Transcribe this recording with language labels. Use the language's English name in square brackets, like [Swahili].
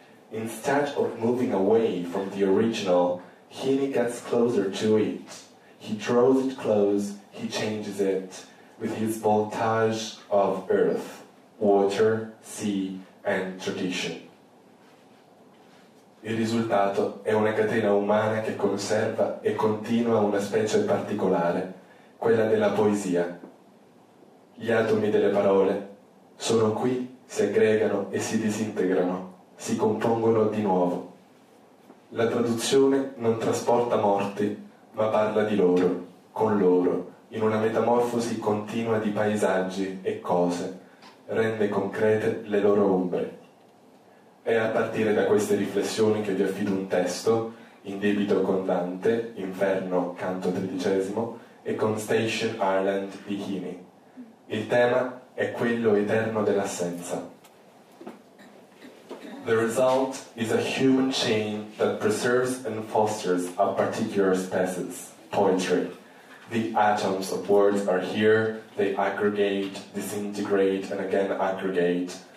[English] Instead of moving away from the original, Heaney gets closer to it. He draws it close, he changes it, with his voltage of earth, water, sea, and tradition. [Italian] Il risultato è una catena umana che conserva e continua una specie particolare, quella della poesia. Gli atomi delle parole sono qui, si aggregano e si disintegrano. Si compongono di nuovo. La traduzione non trasporta morti, ma parla di loro, con loro, in una metamorfosi continua di paesaggi e cose, rende concrete le loro ombre. È a partire da queste riflessioni che vi affido un testo, in debito con Dante, Inferno, canto tredicesimo, e con Station Ireland di Heaney. Il tema è quello eterno dell'assenza. [English] The result is a human chain that preserves and fosters a particular species, poetry. The atoms of words are here, they aggregate, disintegrate, and again aggregate.